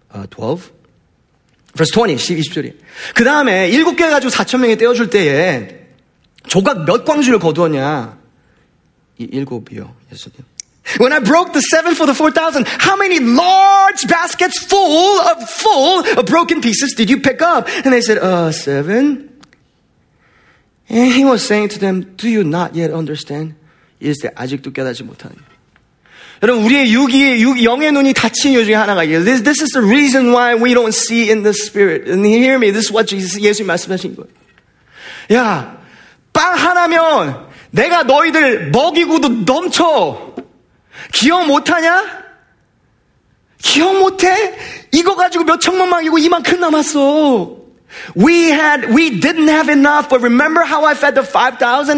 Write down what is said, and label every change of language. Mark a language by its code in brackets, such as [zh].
[en] 12. Verse 20, 12, 20절이. [ko] 그 다음에 일곱 개 가지고 4,000명에 떼어줄 때에 조각 몇 광주를 거두었냐? 이 일곱이요, 예수님. [en] When I broke the seven for the 4,000, how many large baskets full of broken pieces did you pick up? And they said, seven. And he was saying to them, do you not yet understand? [ko] 이랬을 때 아직도 깨닫지 못하는 여러분 우리의 영의 눈이 닫힌 이유 중에 하나가 [en] this is the reason why we don't see in the spirit. And hear me, this is what Jesus, [ko] 예수님 말씀하신 거예요. 야, 빵 하나면 내가 너희들 먹이고도 넘쳐. 기억 못하냐? 기억 못해? 이거 가지고 몇 천만 먹이고 이만큼 남았어. [en] We didn't have enough, but remember how I fed the 5,000?